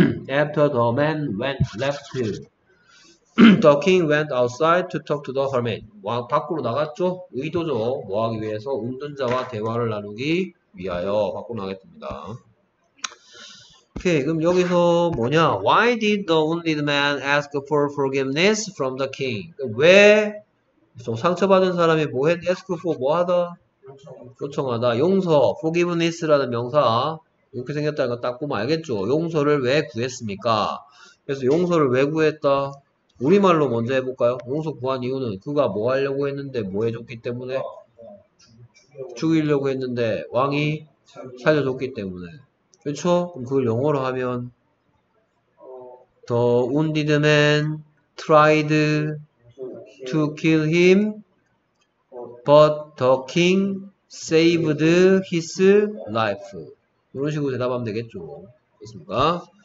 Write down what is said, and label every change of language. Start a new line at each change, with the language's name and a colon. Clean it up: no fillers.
English: After the man went left, the king went outside to talk to the hermit.
Korean: 왕 밖으로 나갔죠. 의도죠. 뭐하기 위해서 운전자와 대화를 나누기 위하여 밖으로 나갔습니다. Okay, 그럼 여기서 뭐냐?
English: Why did the wounded man ask for forgiveness from the king?
Korean: 왜 좀 상처받은 사람이 뭐해? Ask for 뭐하다? 요청하다. 용서. Forgiveness라는 명사. 이렇게 생겼다는 거 딱 보면 알겠죠. 용서를 왜 구했습니까? 그래서 용서를 왜 구했다? 우리말로 먼저 해볼까요? 용서 구한 이유는 그가 뭐 하려고 했는데 뭐 해줬기 때문에 죽이려고 했는데 왕이 살려줬기 때문에. 그렇죠? 그럼 그걸 영어로 하면
English: The wounded man tried to kill him, but the king saved his life.
Korean: 이런 식으로 대답하면 되겠죠. 그렇습니까?